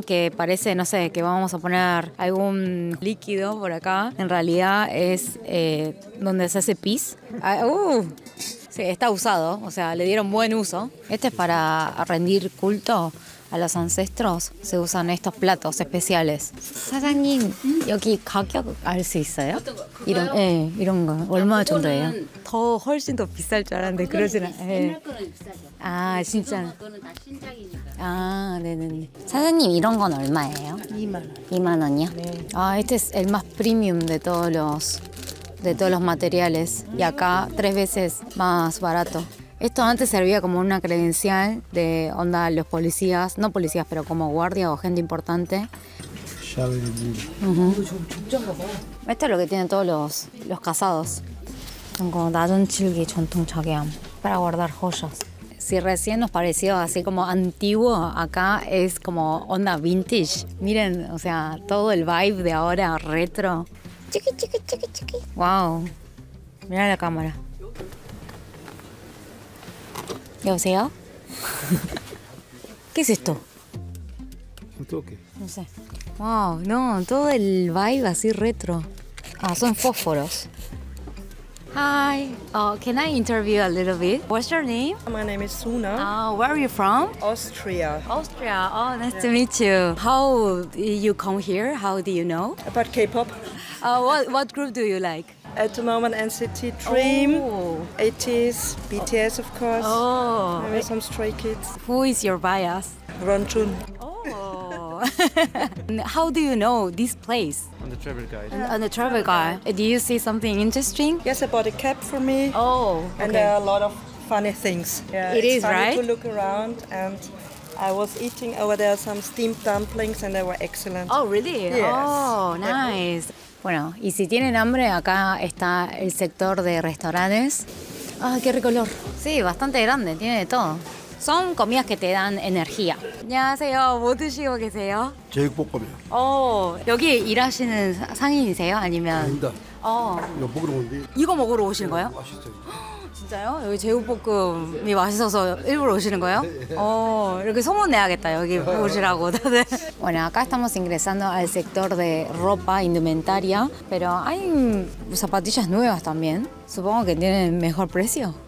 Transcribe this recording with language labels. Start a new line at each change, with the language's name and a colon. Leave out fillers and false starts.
Spanish: Que parece, no sé, que vamos a poner algún líquido por acá. En realidad es donde se hace pis. Sí, está usado. O sea, le dieron buen uso. Este es para rendir culto a los ancestros. Se usan estos platos especiales.
Korean: 사장님, 여기 가격 알 수 있어요? 이런, 예, 이런 거 얼마 정도예요? 더 훨씬 더 비쌀 줄 알았는데 그러진 않아. 옛날 거는 비싸죠. 아, 진짜. 그거는 다 신작이니까. 아, 네네네. 사장님, 이런 건 얼마예요? 2만 원. 2만 원이요? 네.
Spanish: 아, este es el más premium de todos los materiales. Y acá tres veces más barato. Esto antes servía como una credencial de onda a los policías, no policías, pero como guardia o gente importante. Esto es lo que tienen todos los casados. Para guardar joyas. Si recién nos pareció así como antiguo, acá es como onda vintage. Miren, o sea, todo el vibe de ahora retro. Chiqui. Wow. Mira la cámara. ¿Qué es esto? ¿Un toque? No sé. Wow, no, todo el vibe así retro. Ah, son fósforos.
English: Hi, can I interview a little bit? What's your name? My name is Suna. Where are you from? Austria. Austria, oh, nice to meet you. How did you come here? How do you know? About K-pop. What group do you like? At the moment, NCT Dream, 80s, BTS, of course. Oh, maybe some Stray Kids. Who is your bias? Run Chun. Oh. How do you know this place? On the travel guide. Do you see something interesting? Yes, I bought a cap for me. Oh, okay. And there are a lot of funny things. Yeah, it is, funny, right? To look around, and I was eating over there some steamed dumplings, and they were excellent. Oh, really? Yes. Oh, nice.
Spanish: Bueno, y si tienen hambre, acá está el sector de restaurantes. ¡Ah, qué rico olor! Sí, bastante grande, tiene de todo. Son comidas que te dan energía.
Korean: 안녕하세요, 뭐 드시고 계세요? 제육볶음이요. 오, 여기 일하시는 상인이세요? 아니면? 아닙니다. 어. 이거 먹으러 온대. 이거 먹으러 오시는 거예요? 맛있어요. 진짜요? 여기 제육볶음이 맛있어서 일부러 오시는 거예요? 어, 이렇게 소문 내야겠다. 여기 오시라고 다들.
Spanish: Bueno, acá estamos ingresando al sector de ropa indumentaria, pero hay zapatillas nuevas también. Supongo que tienen mejor precio.